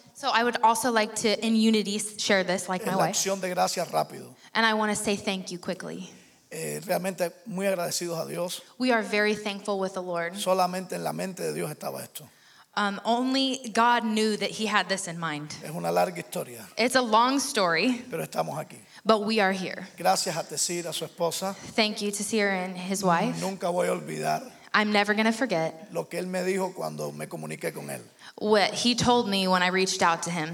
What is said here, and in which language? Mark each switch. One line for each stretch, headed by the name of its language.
English: So I would also like to, in unity, share this like my
Spanish: la acción
English: wife.
Spanish: De gracias rápido.
English: And I want to say thank you quickly.
Spanish: Realmente muy agradecidos a Dios.
English: We are very thankful with the Lord.
Spanish: Solamente en la mente de Dios estaba esto.
English: Only God knew that he had this in mind.
Spanish: Es una larga historia.
English: It's a long story.
Spanish: Pero estamos aquí.
English: But we are here.
Spanish: Gracias a Tessir, a su esposa.
English: Thank you to Tessir and his wife.
Spanish: Nunca voy a olvidar.
English: I'm never going to forget
Spanish: lo que él me dijo cuando me comuniqué con él.
English: What he told me when I reached out to him.